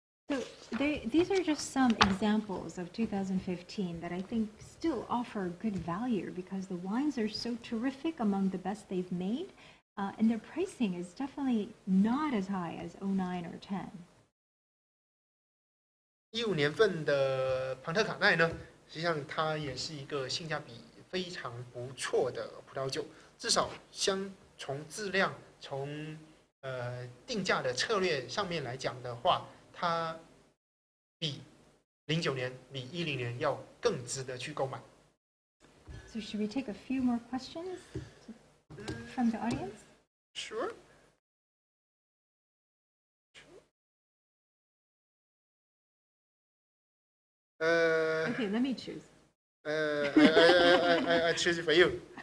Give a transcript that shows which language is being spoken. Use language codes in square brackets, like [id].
[en] So these are just some examples of 2015 that I think still offer good value because the wines are so terrific among the best they've made. And their pricing is definitely not as high as 09 or 10. [zh] 15年份的庞特卡奈呢，实际上它也是一个性价比非常不错的葡萄酒，至少相从质量、从定价的策略上面来讲的话，它比09年、比10年要更值得去购买。 [en] So should we take a few more questions from the audience? Sure. Okay, let me choose. I choose it for you.